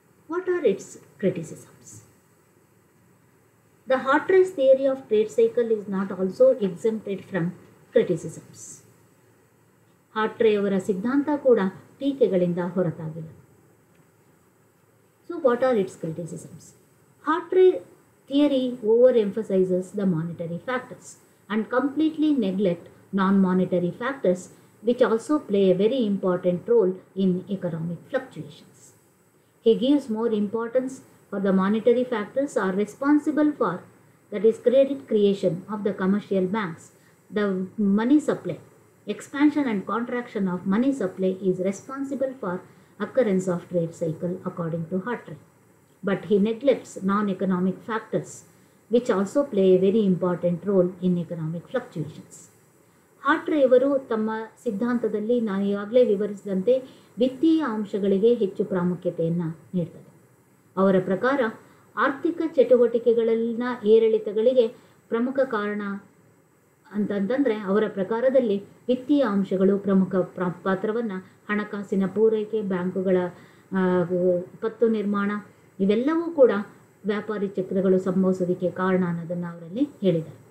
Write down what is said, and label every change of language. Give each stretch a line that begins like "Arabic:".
English: What are its criticisms? The Hawtrey's theory of trade cycle is not also exempted from criticisms.
Kannada: ಹಾರ್ಟ್ರೆಯವರ ಸಿದ್ಧಾಂತ ಕೂಡ ಟೀಕೆಗಳಿಂದ ಹೊರತಾಗಿಲ್ಲ.
English: So what are its criticisms? Hartree theory overemphasizes the monetary factors and completely neglect non-monetary factors, which also play a very important role in economic fluctuations. He gives more importance for the monetary factors are responsible for, that is, credit creation of the commercial banks, the money supply, expansion and contraction of money supply is responsible for occurrence of trade cycle according to Hartree. But he neglects non-economic factors, which also play a very important role in economic fluctuations.
Kannada: ಹಾಟ್ರೆಯವರು ತಮ್ಮ ಸಿದ್ಧಾಂತದಲ್ಲಿ ನಾನು ಈಗಾಗಲೇ ವಿವರಿಸಿದಂತೆ ವಿತ್ತೀಯ ಅಂಶಗಳಿಗೆ ಹೆಚ್ಚು ಪ್ರಾಮುಖ್ಯತೆಯನ್ನು ನೀಡ್ತದೆ. ಅವರ ಪ್ರಕಾರ ಆರ್ಥಿಕ ಚಟುವಟಿಕೆಗಳಲ್ಲಿನ ಏರಿಳಿತಗಳಿಗೆ ಪ್ರಮುಖ ಕಾರಣ ಅಂತಂತಂದರೆ, ಅವರ ಪ್ರಕಾರದಲ್ಲಿ ವಿತ್ತೀಯ ಅಂಶಗಳು ಪ್ರಮುಖ ಪಾತ್ರವನ್ನು ಹಣಕಾಸಿನ ಪೂರೈಕೆ, ಬ್ಯಾಂಕುಗಳ ಪತ್ತು ನಿರ್ಮಾಣ, ಇವೆಲ್ಲವೂ ಕೂಡ ವ್ಯಾಪಾರಿ ಚಕ್ರಗಳು ಸಂಭವಿಸೋದಕ್ಕೆ ಕಾರಣ ಅನ್ನೋದನ್ನು ಅವರಲ್ಲಿ ಹೇಳಿದ್ದಾರೆ.